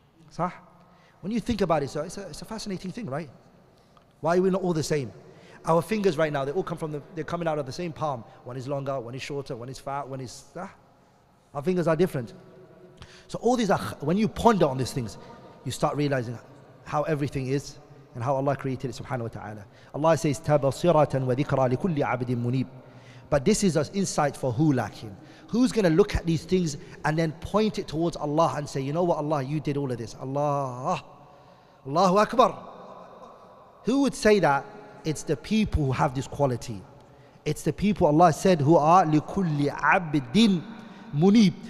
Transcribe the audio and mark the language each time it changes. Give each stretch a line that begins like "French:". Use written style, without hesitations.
English: So, when you think about it, so it's a fascinating thing, right? Why are we not all the same? Our fingers right now, they're coming out of the same palm. One is longer, one is shorter, one is fat, one is, our fingers are different. So all these are, when you ponder on these things, you start realizing how everything is and how Allah created it, subhanahu wa ta'ala.
Arabic: Allah says, تَبَصِرَةً وَذِكْرَى لِكُلِّ عَبْدٍ مُنِيبٍ.
English: But this is an insight for who lacking. Who's going to look at these things and then point it towards Allah and say, you know what, Allah, you did all of this. Allah, Allahu Akbar. Who would say that? It's the people who have this quality. It's the people Allah said who are لِكُلِّ عَبْدٍ مُنِيبٍ.